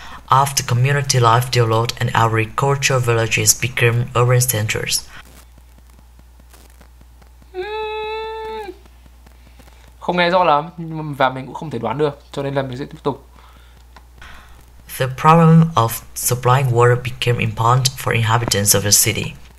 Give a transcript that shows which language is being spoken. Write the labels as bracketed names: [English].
[English] After community life developed and agricultural villages became urban centers. [Vietnamese] Không nghe rõ lắm, và mình cũng không thể đoán được, cho nên là mình sẽ tiếp tục. [English] The problem of supplying water became important for inhabitants of the city.